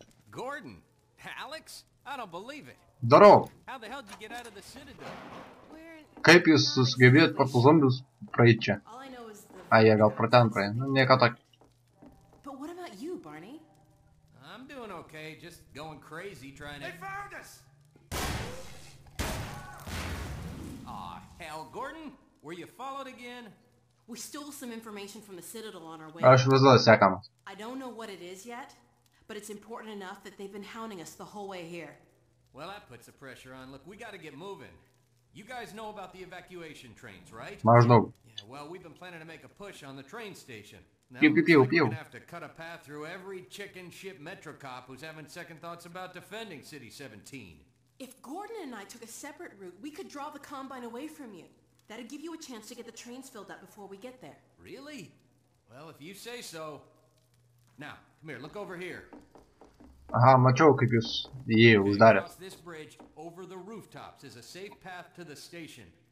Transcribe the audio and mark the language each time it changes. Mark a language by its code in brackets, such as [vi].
[en] Gordon, Alex, I don't believe it. [lt] Darau. [en] How the hell did you get out of the citadel? [lt] Kaip jūs sugebėjot pro tų zombius praeit čia? Ai, jie gal pro ten praeit, nu nieko tokio. [en] But what about you, Barney? I'm doing okay, just going crazy trying to... They found us! Aw, hell, Gordon, were you followed again? We stole some information from the citadel on our way. [lt] Aš vis dėlto sekamas. [en] I don't know what it is yet, but it's important enough that they've been hounding us the whole way here. Well, that puts the pressure on. Look, we gotta get moving. You guys know about the evacuation trains, right? [lt] Maždaug. [en] Yeah, well, we've been planning to make a push on the train station. Pew, pew, pew, pew. We're gonna have to cut a path through every chicken ship metro cop who's having second thoughts about defending City 17. If Gordon and I took a separate route, we could draw the Combine away from you. That'd give you a chance to get the trains filled up before we get there. Really? Well, if you say so. Now, come here, look over here. [lt] Aha, mačiau, kaip jūs jį uždarė. [en] Across this bridge, over the rooftops, is a safe path to the station.